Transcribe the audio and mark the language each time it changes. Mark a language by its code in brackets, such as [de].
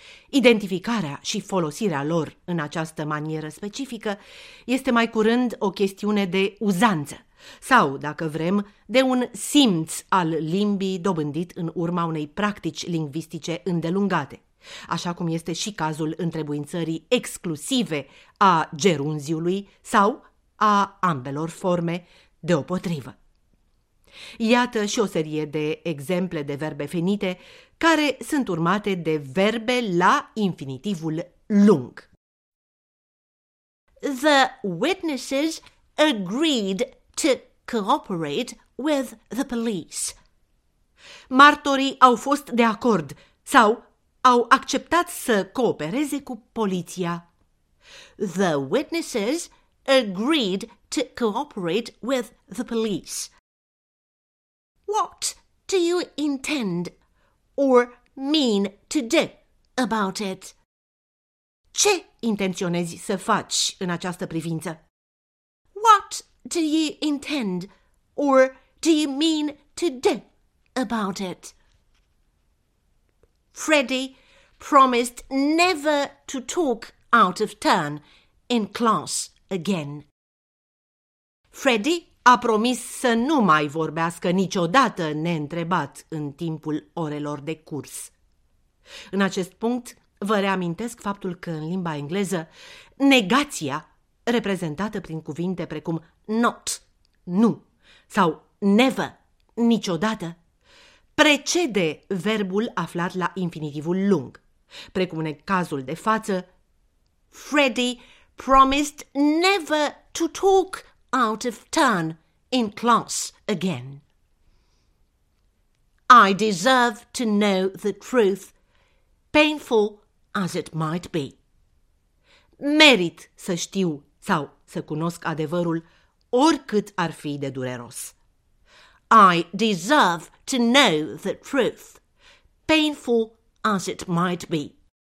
[ro] Identificarea și folosirea lor în această manieră specifică este mai curând o chestiune de uzanță sau, dacă vrem, de un simț al limbii dobândit în urma unei practici lingvistice îndelungate, așa cum este și cazul întrebuințării exclusive a gerunziului sau a ambelor forme deopotrivă. Iată și o serie de exemple de verbe finite care sunt urmate de verbe la infinitivul lung. [en] The witnesses agreed to cooperate with the police. [ro] Martorii au fost de acord sau au acceptat să coopereze cu poliția. [en] The witnesses agreed to cooperate with the police. What do you intend or mean to do about it? [ro] Ce intenționezi să faci în această privință? [en] What do you intend or do you mean to do about it? Freddy promised never to talk out of turn in class again. [ro] Freddy a promis să nu mai vorbească niciodată neîntrebat în timpul orelor de curs. În acest punct, vă reamintesc faptul că în limba engleză, negația, reprezentată prin cuvinte precum not, nu, sau never, niciodată, precede verbul aflat la infinitivul lung, precum în cazul de față, [en] Freddy promised never to talk out of turn in class again. I deserve to know the truth, painful as it might be. [ro] Merit să știu sau să cunosc adevărul, oricât ar fi de dureros. [en] I deserve to know the truth, painful as it might be.